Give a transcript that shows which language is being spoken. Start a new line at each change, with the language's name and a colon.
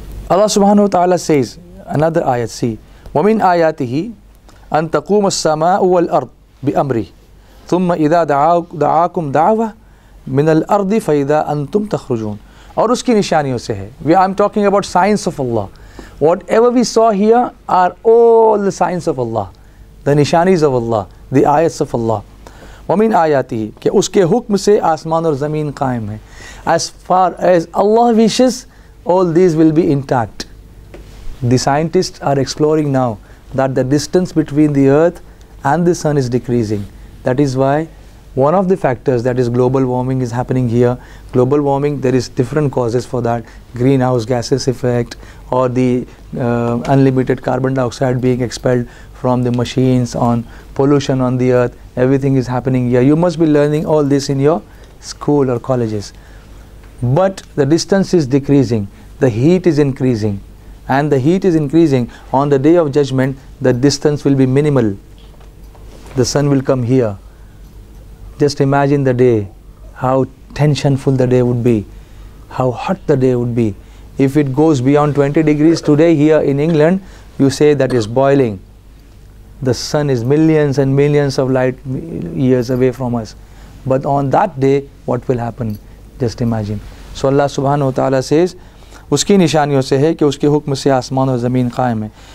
English: Allah subhanahu wa ta'ala says, another ayat, see,
Arabic: وَمِنْ آيَاتِهِ أَن تَقُومَ السَّمَاءُ وَالْأَرْضِ بِأَمْرِهِ ثُمَّ إِذَا دَعَاكُمْ دَعْوَةً مِنَ الْأَرْضِ فَإِذَا أَنْتُمْ تَخْرُجُونَ.
Urdu: اور اس کی نشانیوں سے ہے.
English: I'm talking about signs of Allah. Whatever we saw here are all the signs of Allah, the nishanis of Allah, the ayats of Allah.
Arabic: وَمِنْ آيَاتِهِ
Urdu: کہ اس کے حکم سے آسمان اور زمین قائم ہیں.
English: As far as Allah wishes, all these will be intact. The scientists are exploring now that the distance between the earth and the sun is decreasing. That is why one of the factors, that is global warming, is happening here. Global warming, there is different causes for that. Greenhouse gases effect, or the unlimited carbon dioxide being expelled from the machines, on pollution on the earth. Everything is happening here. You must be learning all this in your school or colleges. But the distance is decreasing. The heat is increasing. And the heat is increasing. On the day of judgment, the distance will be minimal. The sun will come here. Just imagine the day, how tensionful the day would be, how hot the day would be. If it goes beyond 20 degrees today here in England, you say that is boiling. The sun is millions and millions of light years away from us. But on that day, what will happen? Just imagine. So Allah subhanahu wa ta'ala says,
Urdu: اس کی نشانیوں سے ہے کہ اس کے حکم سے آسمان اور زمین قائم ہیں.